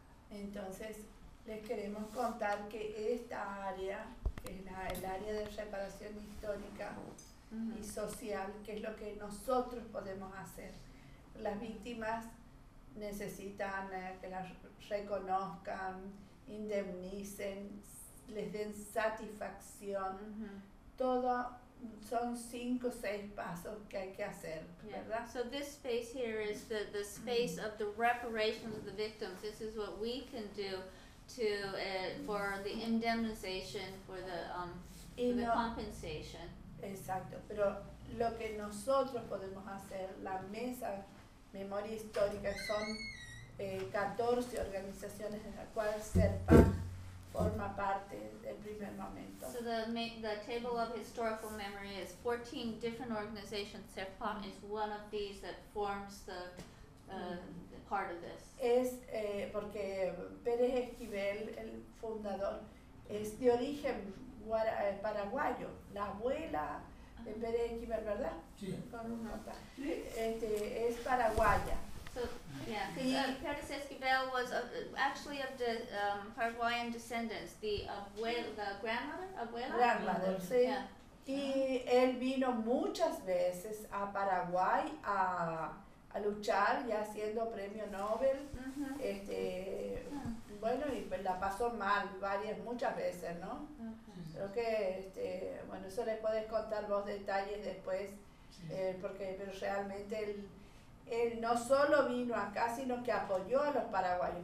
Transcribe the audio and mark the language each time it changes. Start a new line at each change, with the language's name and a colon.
Spanish: Entonces les queremos contar que esta área, que es el área de reparación histórica y social, que es lo que nosotros podemos hacer. Las víctimas necesitan que las reconozcan, indemnicen, les den satisfacción. Todo son 5 o 6 pasos que hay que hacer,
English: yeah.
Spanish: ¿Verdad?
English: So this space here is the space of the reparations of the victims. This is what we can do for the indemnization, for the compensation.
Spanish: Exacto, pero lo que nosotros podemos hacer, la mesa Memoria Histórica, son 14 organizaciones de las cuales SERPA forma parte del primer momento.
English: So the table of historical memory is 14 different organizations. SERPA is one of these that forms the part of this.
Spanish: Es porque Pérez Esquivel, el fundador, es de origen paraguayo, la abuela de Pérez de Quiver, ¿verdad? Sí. Con un nota. Este, es paraguaya.
English: So, yeah, Pérez Esquivel was actually of the Paraguayan descendants, the abuela, the grandmother, abuela? Grandmother, sí. Yeah.
Spanish: Y él vino muchas veces a Paraguay a luchar, ya siendo premio Nobel. Mm-hmm. Este, bueno, y pues la pasó mal varias, muchas veces, ¿no?
English: Okay.
Spanish: Creo que, este, bueno, eso les puedes contar vos detalles después, porque pero realmente él no solo vino acá, sino que apoyó a los paraguayos.